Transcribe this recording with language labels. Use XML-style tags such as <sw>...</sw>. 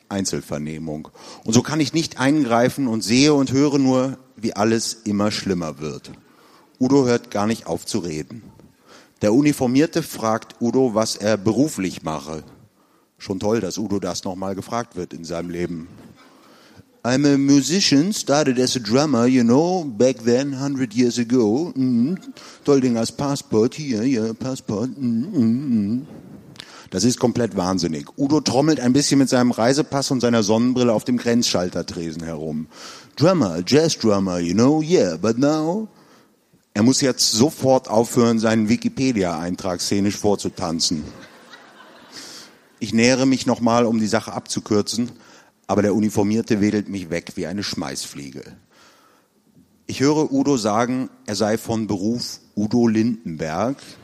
<de>Einzelvernehmung. Und so kann ich nicht eingreifen und sehe und höre nur, wie alles immer schlimmer wird. Udo hört gar nicht auf zu reden. Der Uniformierte fragt Udo, was er beruflich mache. Schon toll, dass Udo das nochmal gefragt wird in seinem Leben.</de> <en>I'm a musician, started as a drummer, you know, back then, 100 years ago.</en> <de>Mm-hmm. Toll Ding als Passport, hier, ja, Passport. Mm-hmm. Das ist komplett wahnsinnig. Udo trommelt ein bisschen mit seinem Reisepass und seiner Sonnenbrille auf dem Grenzschaltertresen herum.</de> <en>Drummer, Jazz Drummer, you know, yeah, but now...</en> <de>Er muss jetzt sofort aufhören, seinen Wikipedia-Eintrag szenisch vorzutanzen. Ich nähere mich nochmal, um die Sache abzukürzen, aber der Uniformierte wedelt mich weg wie eine Schmeißfliege. Ich höre Udo sagen, er sei von Beruf Udo Lindenberg.</de>